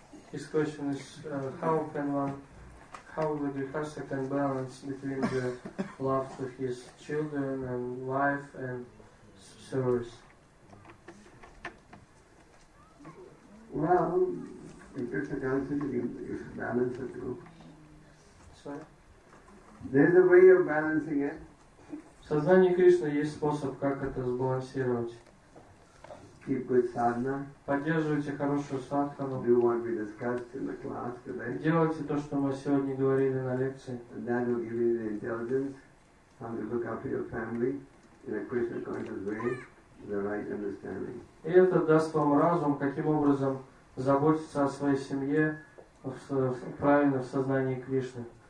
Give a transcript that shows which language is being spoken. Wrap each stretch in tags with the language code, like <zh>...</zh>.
<en>His question is, how the Grihastha can balance between the love to his children and wife and service? Well, In Krishna consciousness, you should balance the two. Sorry? There is a way of balancing it.</en> <ru>В сознании Кришны есть способ, как это сбалансировать.</ru> <en>Keep good sadhana.</en> <ru>Поддерживайте хорошую садхану.</ru> <en>Do what we discussed in the class today.</en> <ru>Делайте то, что мы сегодня говорили на лекции.</ru> <en>And that will give you the intelligence, how to look after your family in a Krishna conscious way, the right understanding.</en> <ru>И это даст вам разум, каким образом заботиться о своей семье правильно в сознании Кришны.</ru>